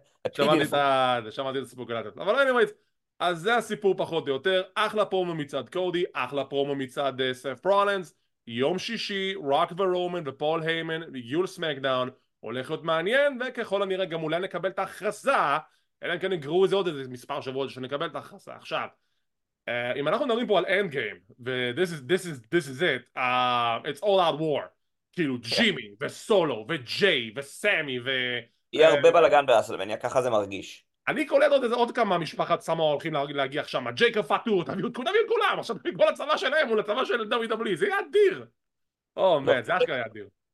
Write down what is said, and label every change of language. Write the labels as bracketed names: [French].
[Hebrew] שמעתי את הסיפור קלטת. אבל anyways, אז זה הסיפור פחות או יותר. אחלה פרומו מצד קודי, אחלה פרומו מצד סף רולינס. יום שישי, רוק ורומן ופול היימן, יול סמקדאון, הולך להיות מעניין, וככל הנראה גם אולי נקבל את ההכרזה, אלא אם כן נגרו איזה עוד איזה מספר שבועות שנקבל את ההכרזה. עכשיו, אם אנחנו מדברים פה על [English] end game, this is it, it's all out war. [Hebrew] כאילו, ג'ימי, וסולו, וג'יי, וסמי, ו... יהיה הרבה בלגן באסלמניה, ככה זה מרגיש. אני קולט עוד כמה משפחת סמו הולכים להגיע עכשיו, ג'ייקר פאטור, תביאו את כולם, עכשיו תביאו את הצבא שלהם, הוא לצבא של WWE, זה יהיה אדיר. או, מן, זה אשכרה יהיה אדיר.